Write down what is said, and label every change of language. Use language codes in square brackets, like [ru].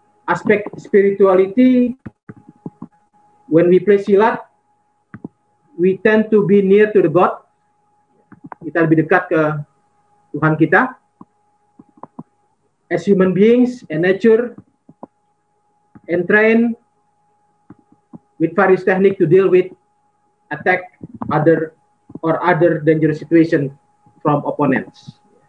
[en] Aspek spirituality, when we play silat, we tend to be near to the God. [id] Kita lebih dekat ke Tuhan kita. [en] As human beings and nature, and train with various technique to deal with attack other or other dangerous situation from opponents.